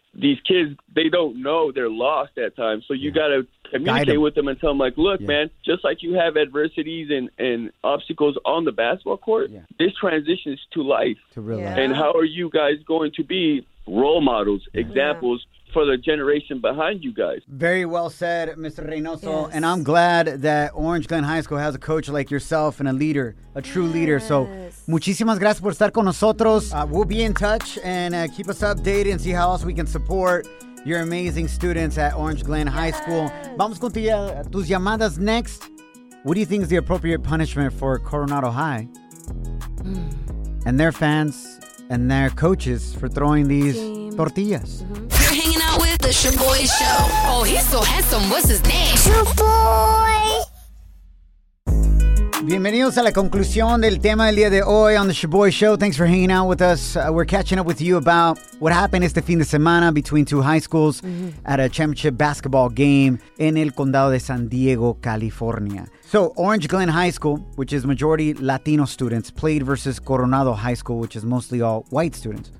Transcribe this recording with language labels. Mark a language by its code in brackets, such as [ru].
[en] These kids, they don't know. They're lost at times. So you got to communicate with them and tell them, like, look, man, just like you have adversities and obstacles on the basketball court, this transitions to life. To real life. And how are you guys going to be role models, examples, for the generation behind you guys? Very well said, Mr. Reynoso. Yes. And I'm glad that Orange Glen High School has a coach like yourself and a leader, a true leader. So, [es] muchísimas gracias por estar con nosotros. [en] We'll be in touch and keep us updated and see how else we can support your amazing students at Orange Glen High School. [es] Vamos con tus llamadas [en] next. What do you think is the appropriate punishment for Coronado High and their fans and their coaches for throwing these tortillas? Mm-hmm. You're hanging out with the Shaboy Show. Oh, he's so handsome. What's his name? Shaboy. [es] Bienvenidos a la conclusión del tema del día de hoy [en] on the Shaboy Show. Thanks for hanging out with us. We're catching up with you about what happened [es] este fin de semana [en] between two high schools at a championship basketball game in [es] el condado de San Diego, California. [en] So Orange Glen High School, which is majority Latino students, played versus Coronado High School, which is mostly all white students.